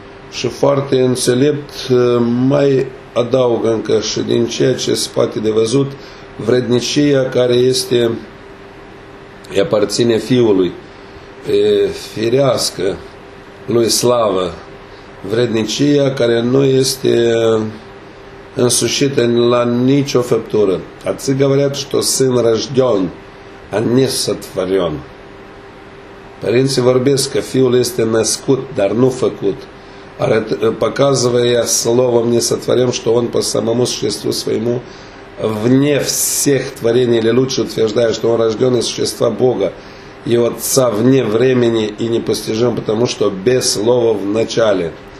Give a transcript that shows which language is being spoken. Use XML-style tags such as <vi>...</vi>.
<ro>Și foarte înțelept mai adaugă încă și din ceea ce se poate de văzut vrednicia care este îi aparține fiului, firească lui slavă, vrednicia care nu este însușită la nicio făptură.</ro> <ru>Ați говорят, что сын рожден, а не сотворен.</ru> <ro>Părinții vorbesc că fiul este născut, dar nu făcut.</ro> <ru>Показывая словом не сотворим, что он по самому существу своему вне всех творений, или лучше утверждая, что он рожден из существа Бога и Отца вне времени и непостижим, потому что без слова в начале.</ru>